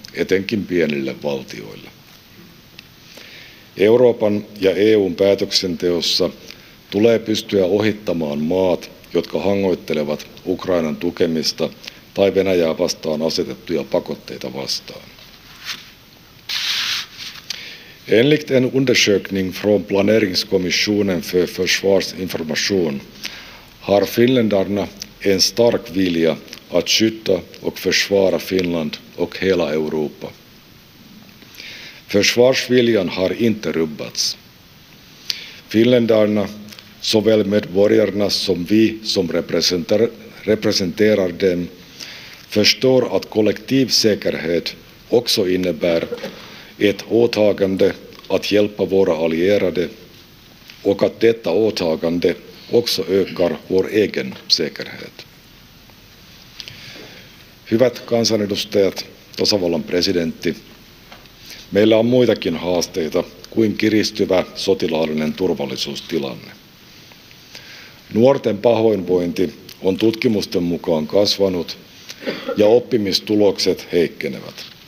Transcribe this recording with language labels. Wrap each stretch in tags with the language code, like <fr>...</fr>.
<fi>etenkin pienille valtioille. Euroopan ja EU:n päätöksenteossa tulee pystyä ohittamaan maat, jotka hangoittelevat Ukrainan tukemista tai Venäjää vastaan asetettuja pakotteita vastaan.</fi> <sv>Enligt en undersökning från Planeringskommissionen för försvarsinformation har finländarna en stark vilja att skydda och försvara Finland och hela Europa. Försvarsviljan har inte rubbats. Finländarna, såväl medborgarna som vi som representerar dem, förstår att kollektiv säkerhet också innebär ett åtagande att hjälpa våra allierade och att detta åtagande också ökar vår egen säkerhet.</sv> <fi>Hyvät kansanedustajat, tasavallan presidentti, meillä on muitakin haasteita kuin kiristyvä sotilaallinen turvallisuustilanne. Nuorten pahoinvointi on tutkimusten mukaan kasvanut ja oppimistulokset heikkenevät.</fi>